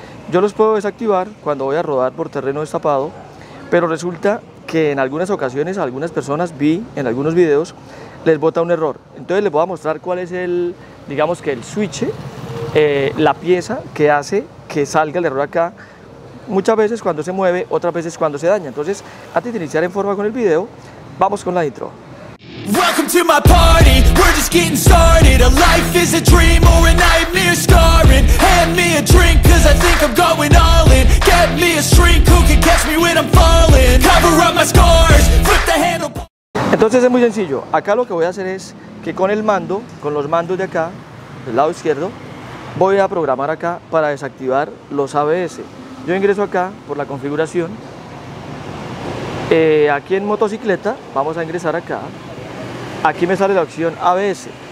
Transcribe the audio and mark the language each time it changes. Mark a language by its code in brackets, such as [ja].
[es] Yo los puedo desactivar cuando voy a rodar por terreno destapado, pero resulta que en algunas ocasiones, algunas personas vi en algunos videos, les bota un error. Entonces les voy a mostrar cuál es el, digamos que el switch, la pieza que hace que salga el error acá. Muchas veces cuando se mueve, otras veces cuando se daña. Entonces, antes de iniciar en forma con el video, vamos con la intro. [en] Welcome to my party, we're just getting started. A life is a dream or a nightmare scarring. Hand me a drink cause I think I'm going all in. Get me a shrink who can catch me when I'm falling. Cover up my scars, flip the handle. [es] Entonces es muy sencillo, acá lo que voy a hacer es que con el mando, con los mandos de acá, del lado izquierdo, voy a programar acá para desactivar los ABS. Yo ingreso acá por la configuración, aquí en motocicleta, vamos a ingresar acá, aquí me sale la opción ABS.